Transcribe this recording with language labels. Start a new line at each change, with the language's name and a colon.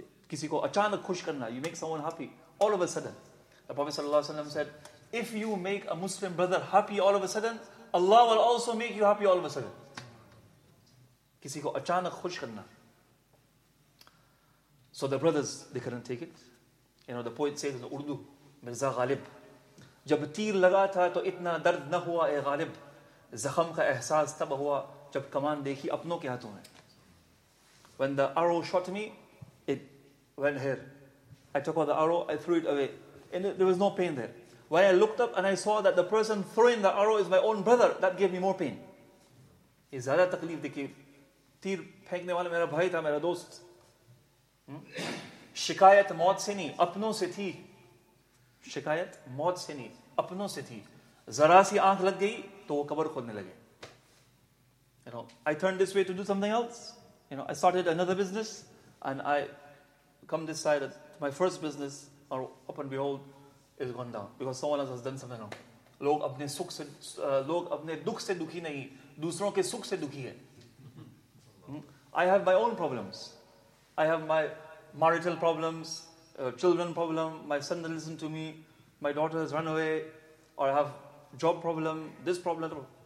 Urdu: Kisi ko achanak khush karna,
English: you make someone happy, all of a sudden. The Prophet ﷺ said, if you make a Muslim brother happy all of a sudden, Allah will also make you happy all of a sudden.
Urdu: Kisi ko achanak khush karna.
English: So the brothers, they couldn't take it. You know, the poet says in Urdu,
Urdu: Mirza Ghalib. جب تیر لگا تھا تو اتنا درد نہ ہوا اے غالب، زخم کا احساس تب ہوا جب کمان دیکھی اپنوں کے ہاتھوں میں.
English: When the arrow shot me, it went here. I took out the arrow, I threw it away. And there was no pain there. When I looked up and I saw that the person throwing the arrow is my own brother, that gave me more pain.
Urdu: یہ زیادہ تکلیف دیکھی. تیر پھینکنے والا میرا بھائی تھا، میرا دوست. شکایت موت سے نہیں اپنوں سے تھی، شکایت موت سے نہیں اپنوں سے تھی. ذرا سی آنکھ لگ گئی تو وہ قبر کھودنے لگے.
English: You know, I turned this way to do something else. You know, I started another business and I come this side that my first business or up and behold is gone down because someone else has done something wrong.
Urdu: لوگ اپنے سکھ سے لوگ اپنے دکھ سے دکھی نہیں، دوسروں کے سکھ سے دکھی ہے.
English: I have my own problems. I have my marital problems, children problem, my son doesn't listen to me, my daughter has run away, or I have job problem, this problem.